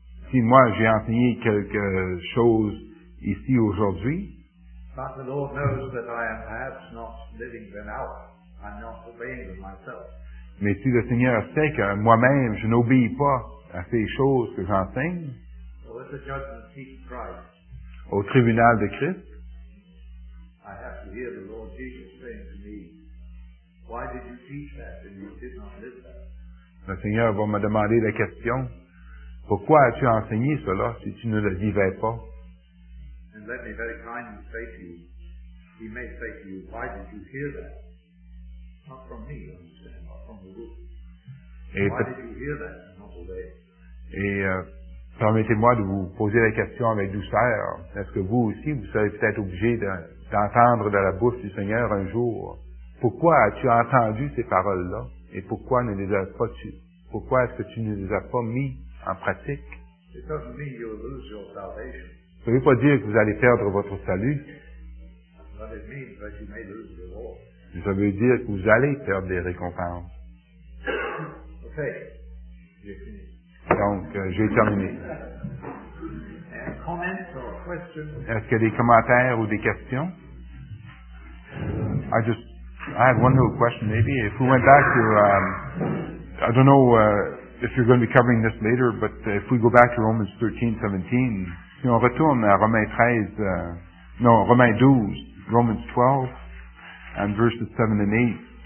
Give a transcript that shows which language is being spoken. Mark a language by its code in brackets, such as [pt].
[fr] si moi j'ai enseigné quelque chose ici aujourd'hui, [en] but the Lord knows that I am perhaps not living them out. I'm not obeying them myself. [fr] Mais si le Seigneur sait que moi-même je n'obéis pas à ces choses que j'enseigne, [en] well, at the judgment seat of Christ, [fr] au tribunal de Christ, [en] I have to hear the Lord Jesus saying to me, why did you teach that and you did not live that? [fr] Le Seigneur va me demander la question, pourquoi as-tu enseigné cela si tu ne le vivais pas? [en] And let me very kindly say to you, he may say to you, why did you hear that? Not from me, understand, not from the book. Why did you hear that, not obey? [fr] Permettez-moi de vous poser la question avec douceur. Est-ce que vous aussi, vous serez peut-être obligé d'entendre de la bouche du Seigneur un jour? Pourquoi as-tu entendu ces paroles-là? Et pourquoi ne les as pas tu? Pourquoi est-ce que tu ne les as pas mis en pratique? [en] It doesn't mean you'll lose your salvation. [fr] Ça ne veut pas dire que vous allez perdre votre salut. [en] But it means that you may lose your reward. [fr] Ça veut dire que vous allez perdre des récompenses. Okay. J'ai fini. Donc, j'ai terminé. [en] Comments or questions? [fr] Est-ce qu'il y a des commentaires ou des questions? [en] I have one little question, maybe. If we went back to, I don't know if you're going to be covering this later, but if we go back to Romans 13:17, [fr] si on retourne à Romains 12, [en] and verses 7 and 8.